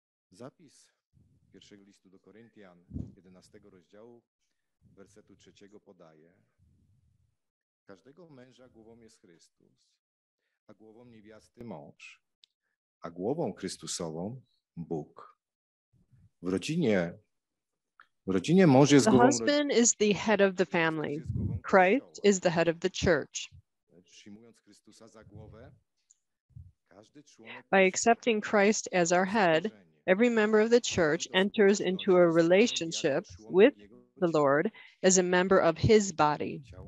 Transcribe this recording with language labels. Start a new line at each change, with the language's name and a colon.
Polish: Zapis pierwszego listu do Koryntian, 11 rozdziału, wersetu 3 podaje. Każdego męża głową jest Chrystus, a głową niewiasty mąż, a głową Chrystusową Bóg. W rodzinie mąż jest głową.
English: The husband is the head of the family. Christ is the head of the church.
Polish: Przyjmując Chrystusa za głowę, każdy członek.
English: By accepting Christ as our head, every member of the church enters into a relationship with the Lord as a member of his body.